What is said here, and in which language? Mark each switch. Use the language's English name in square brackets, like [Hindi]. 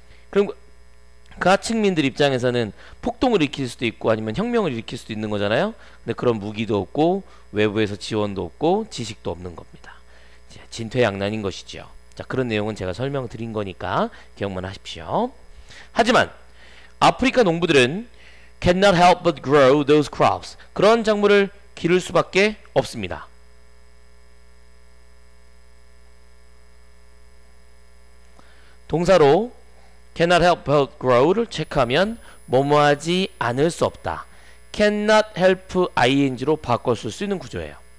[Korean] 그럼 그 하층민들 입장에서는 폭동을 일으킬 수도 있고 아니면 혁명을 일으킬 수도 있는 거잖아요. 근데 그런 무기도 없고 외부에서 지원도 없고 지식도 없는 겁니다. 진퇴양난인 것이죠. 자, 그런 내용은 제가 설명드린 거니까 기억만 하십시오. 하지만 아프리카 농부들은 [English] cannot help but grow those crops. [Korean] 그런 작물을 기를 수밖에 없습니다. 동사로 [English] cannot help but grow [Korean] 를 체크하면 뭐뭐하지 않을 수 없다. cannot help ing로 바꿔쓸 수 있는 구조예요.